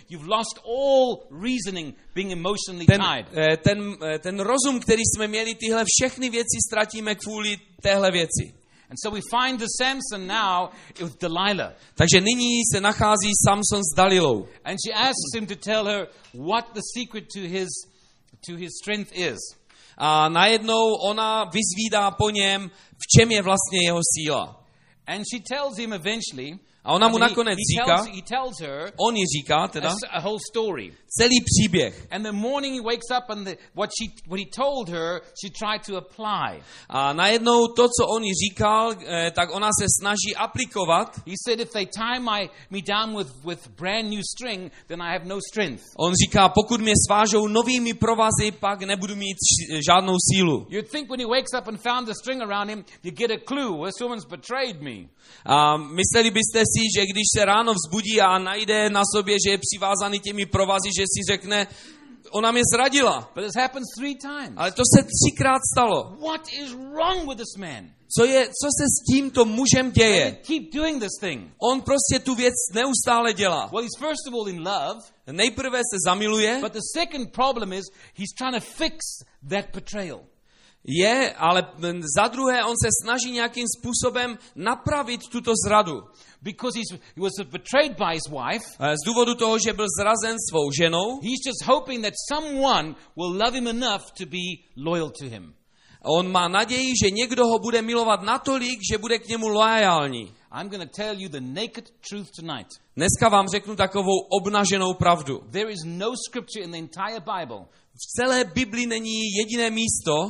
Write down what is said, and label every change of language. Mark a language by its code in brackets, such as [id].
[en] You've lost all reasoning, being emotionally tied. [cs] Ten rozum, který jsme měli, tyhle všechny věci ztratíme kvůli téhle věci. [en] And so we find the Samson now with Delilah. [cs] Takže nyní se nachází Samson s Dalilou. [en] And she asks him to tell her what the secret to his strength is. [cs] A najednou ona vyzvídá po něm, v čem je vlastně jeho síla. [en] And she tells him eventually. [cs] A ona mu nakonec říká. On jí říká teda. [en] A whole story. [cs] Celý příběh. [en] And the morning he wakes up and what he told her, she tried to apply. [cs] A najednou to, co on jí říkal, tak ona se snaží aplikovat. [en] He said if they tie me down with brand new string, then I have no strength. [cs] On říká, pokud mě svážou novými provazy, pak nebudu mít žádnou sílu. [en] You think when he wakes up and found the string around him, you get a clue, this woman's betrayed me. [cs] A mysleli byste si, že když se ráno vzbudí a najde na sobě, že je přivázaný těmi provazy, že si řekne, ona mě zradila. [en] But this happens three times. [cs] Ale to se třikrát stalo. [en] What is wrong with this man? [cs] Co se s tímto mužem děje? [en] Keep doing this thing. [cs] On prostě tu věc neustále dělá. [en] Well, he's first of all in love. [cs] Nejprve se zamiluje. [en] But the second problem is he's trying to fix that betrayal. [cs] je, ale za druhé on se snaží nějakým způsobem napravit tuto zradu. [en] Because he was betrayed by his wife. [cs] Z důvodu toho, že byl zrazen svou ženou. [en] He's just hoping that someone will love him enough to be loyal to him. [cs] On má naději, že někdo ho bude milovat natolik, že bude k němu loajální. [en] I'm going to tell you the naked truth tonight. [cs] Dneska vám řeknu takovou obnaženou pravdu. [en] There is no scripture in the entire Bible. [cs] V celé Biblii není jediné místo,